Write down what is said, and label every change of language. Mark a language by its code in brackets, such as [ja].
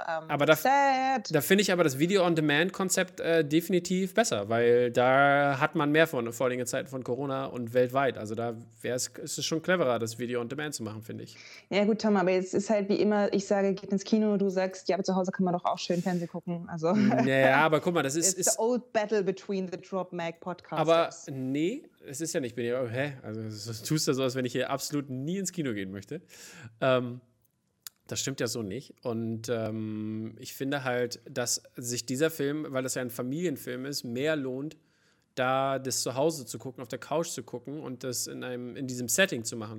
[de] Aber da finde ich aber das Video-on-Demand-Konzept definitiv besser, weil da hat man mehr von, vor allem in Zeiten von Corona und weltweit. Also da ist es schon cleverer, das Video-on-Demand zu machen, finde ich. Ja gut, Tom, aber jetzt ist halt wie immer, ich sage, geht ins Kino, du sagst, ja, aber zu Hause kann man doch auch schön Fernsehen gucken. Also, naja, aber guck mal, das ist... [en] It's the old battle between the Drop Mag Podcasts. [de] Aber nee... Es ist ja nicht, ich bin ja, hä? Also tust du so, als wenn ich hier absolut nie ins Kino gehen möchte. Das stimmt ja so nicht. Und ich finde halt, dass sich dieser Film, weil das ja ein Familienfilm ist, mehr lohnt, da das zu Hause zu gucken, auf der Couch zu gucken und das in diesem Setting zu machen.